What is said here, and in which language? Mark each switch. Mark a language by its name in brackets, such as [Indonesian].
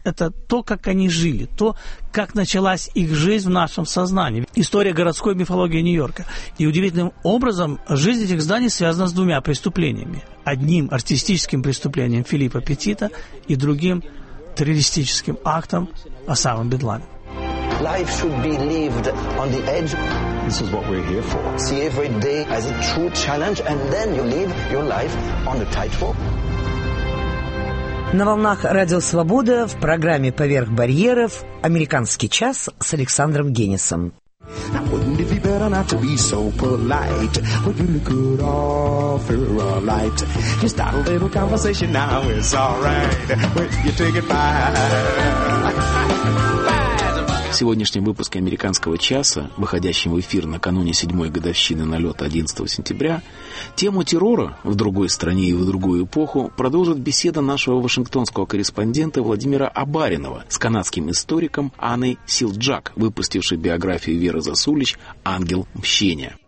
[Russian] Это то, как они жили, то, как началась их жизнь в нашем сознании. История городской мифологии Нью-Йорка. И удивительным образом жизнь этих зданий связана с двумя преступлениями. Одним артистическим преступлением Филиппа Петита и другим террористическим актом Осамы Бен Ладена. [English] Life should be lived on the edge. This is what we're here for. See every day as a true challenge, and then you live your life on a tight rope. [Russian] На волнах Радио Свобода в программе «Поверх барьеров» «Американский час» с Александром Генисом. [English] Now, wouldn't it be better not to be so polite? Would you look good after a light? You start a little conversation now, it's all right. Well, you take it by. [Russian] В сегодняшнем выпуске «Американского часа», выходящем в эфир накануне 7-й годовщины налета 11 сентября, тему террора в другой стране и в другую эпоху продолжит беседа нашего вашингтонского корреспондента Владимира Абаринова с канадским историком Анной Силджак, выпустившей биографию Веры Засулич «Ангел мщения».